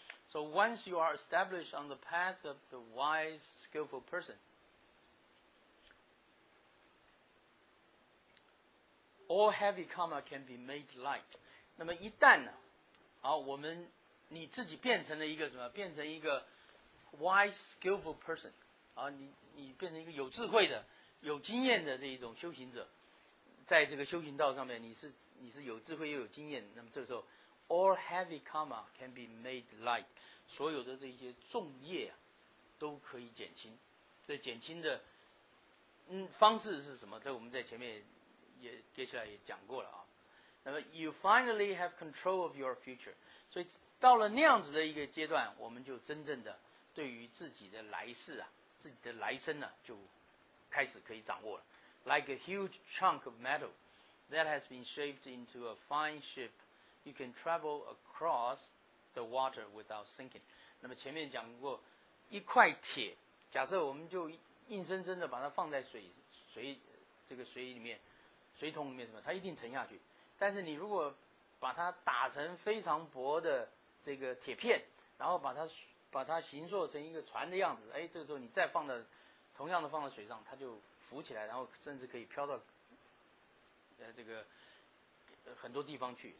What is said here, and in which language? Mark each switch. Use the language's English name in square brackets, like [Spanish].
[English] So once you are established on the path of the wise, skillful person, all heavy karma can be made light. [Chinese] 那么一旦呢，好，我们你自己变成了一个什么？变成一个 [English] wise, skillful person. [Chinese] 啊，你变成一个有智慧的、有经验的这一种修行者，在这个修行道上面，你是有智慧又有经验，那么这个时候。 [English] All heavy karma can be made light. [Chinese] 所有的这些重业啊，都可以减轻。这减轻的方式是什么？这我们在前面也接下来也讲过了啊。 [English] 那么 you finally have control of your future. [Chinese] 所以到了那样子的一个阶段，我们就真正的对于自己的来世啊，自己的来生呢、啊，就开始可以掌握了。 [English] Like a huge chunk of metal that has been shaped into a fine ship. You can travel across the water without sinking. [Chinese] 那么前面讲过，一块铁，假设我们就硬生生的把它放在水里面，水桶里面什么，它一定沉下去。但是你如果把它打成非常薄的这个铁片，然后把它形塑成一个船的样子，哎，这个时候你再放到同样的放在水上，它就浮起来，然后甚至可以飘到很多地方去。